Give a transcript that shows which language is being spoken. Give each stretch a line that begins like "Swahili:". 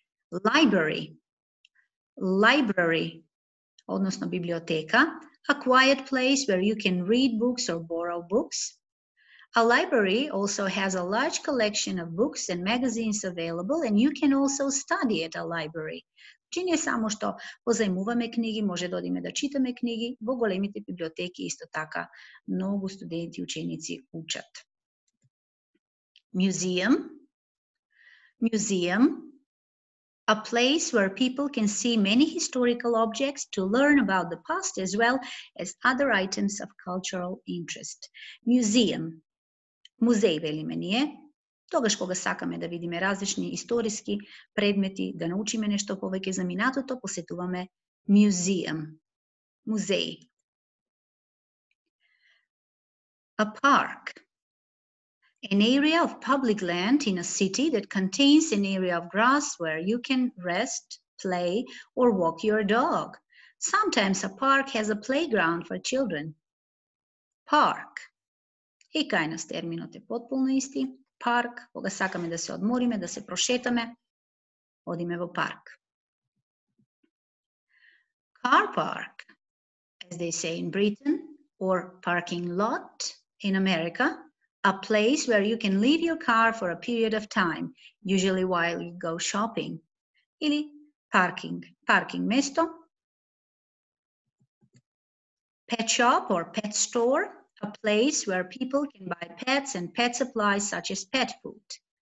English: Library. Library.
Macedonian: Односно, библиотека.
English: A quiet place where you can read books or borrow books. A library also has a large collection of books and magazines available and you can also study at a library.
Macedonian: Чини е само што позајмуваме книги, може да одиме да читаме книги, во големите библиотеки исто така многу студенти и ученици учат.
English: Museum. Museum. A place where people can see many historical objects to learn about the past as well as other items of cultural interest. Museum.
Macedonian: Музеј, велиме ние, тогаш кога сакаме да видиме различни историски предмети, да научиме нешто повеќе за минатото, посетуваме музеум. Музеј.
English: A park. An area of public land in a city that contains an area of grass where you can rest, play or walk your dog. Sometimes a park has a playground for children. Park.
Macedonian: И кај нас терминот е потполно исти. Парк, кога сакаме да се одмориме, да се прошетаме, одиме во парк.
English: Car park. as they say in Britain, or parking lot in America, a place where you can leave your car for a period of time, usually while you go shopping.
Macedonian: Ili parking mesto,
English: pet shop or pet store, a place where people can buy pets and pet supplies such as pet food.